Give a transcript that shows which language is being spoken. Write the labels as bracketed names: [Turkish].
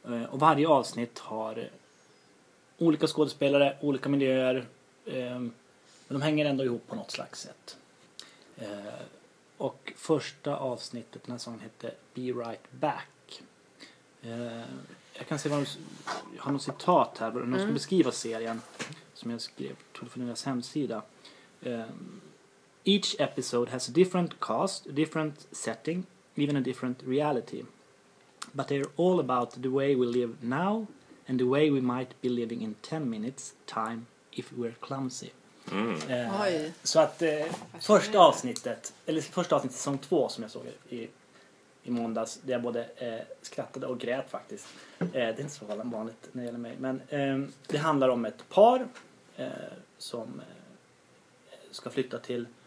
[Swedish] Och varje avsnitt har olika skådespelare, olika miljöer, men de hänger ändå ihop på något slags sätt. Och första avsnittet, den här säsongen, hette Be Right Back. Jag kan se vad jag har något citat här, vad de ska beskriva serien, som jag skrev på deras hemsida. [English] Each episode has a different cast, a different setting, even a different reality. But they're all about the way we live now and the way we might be living in 10 minutes time if we're clumsy. Mm. [Swedish] Så att första avsnittet, eller första avsnittet säsong 2 som jag såg i måndags, där jag både skrattade och grät faktiskt. Det är inte så vanligt när det gäller mig. Men det handlar om ett par som ska flytta till